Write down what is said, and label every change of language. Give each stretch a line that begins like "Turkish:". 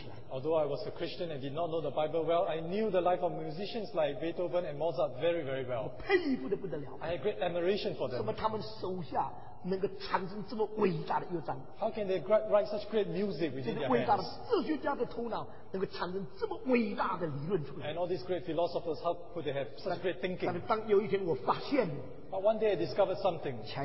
English: although I was a Christian and did not know the Bible well, I knew the life of musicians like Beethoven and Mozart very, very well. I had great admiration for them.
Chinese: 能够产生这么伟大的乐章,
English: how can they write such great music within their hands?
Chinese: 伟大的哲学家的头脑能够产生这么伟大的理论出来,
English: and all these great philosophers, how could they have such great thinking?
Chinese: 但当有一天我发现,
English: but one day I discovered something.